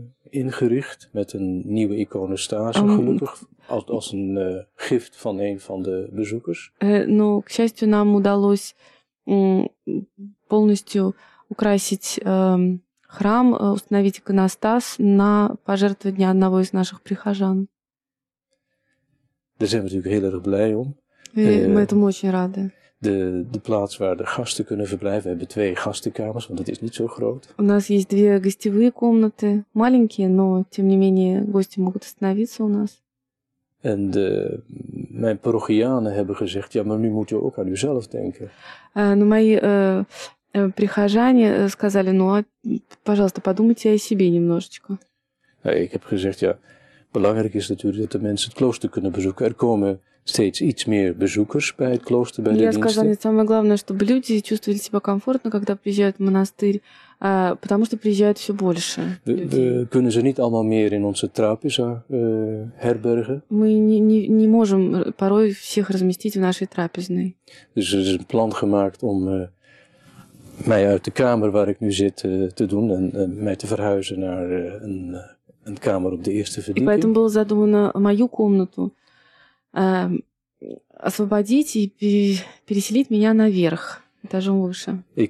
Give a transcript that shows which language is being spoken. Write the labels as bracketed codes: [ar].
[nl] ingericht met een nieuwe iconostase, gelukkig als een gift van een van de bezoekers. [ru] Но, к счастью, нам удалось полностью украсить храм, установить иконостас на пожертвование одного из наших прихожан. [nl] Daar zijn we natuurlijk heel erg blij om. [ru] Мы этому очень рады. [nl] De plaats waar de gasten kunnen verblijven. We hebben twee gastenkamers, want het is niet zo groot. [ru] У нас есть две гостевые комнаты, маленькие, но тем не менее гости могут остановиться у нас. [nl] En mijn parochianen hebben gezegd, ja, maar nu moet je ook aan jezelf denken. [ru] Но мои прихожане сказали, ну, пожалуйста, подумайте о себе немножечко. [nl] Ik heb gezegd, ja, belangrijk is natuurlijk dat de mensen het klooster kunnen bezoeken. Er komen steeds iets meer bezoekers bij het klooster, bij de diensten. [ru] Я сказал, это самое главное, чтобы люди чувствовали себя комфортно, когда приезжают в монастырь, потому что приезжают все больше людей. [nl] We kunnen ze niet allemaal meer in onze trapeza herbergen. [ru] Мы не можем порой всех разместить в нашей трапезной. [nl] Dus er is een plan gemaakt om mij uit de kamer waar ik nu zit te doen en mij te verhuizen naar een kamer op de eerste verdieping. [ru] И поэтому было задумано мою комнату освободить и переселить меня наверх, этажом выше.